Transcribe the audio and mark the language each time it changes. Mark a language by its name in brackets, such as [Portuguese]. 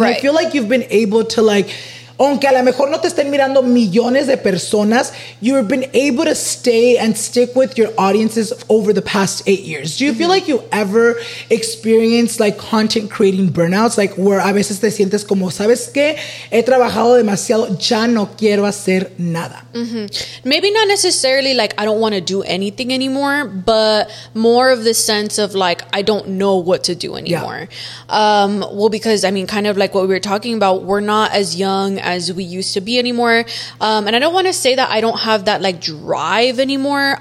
[English] And I feel like you've been able to like, [Spanish] aunque a lo mejor no te estén mirando millones de personas, [English] you've been able to stay and stick with your audiences over the past 8 years. Do you feel like you ever experienced like content creating burnouts? Like where [Spanish] a veces te sientes como, ¿sabes qué? He trabajado demasiado, ya no quiero hacer nada. Mm-hmm. [English] Maybe not necessarily like I don't want to do anything anymore, but more of the sense of like I don't know what to do anymore. Yeah. Well, because I mean, kind of like what we were talking about, we're not as young as we used to be anymore. And I don't want to say that I don't have that like drive anymore.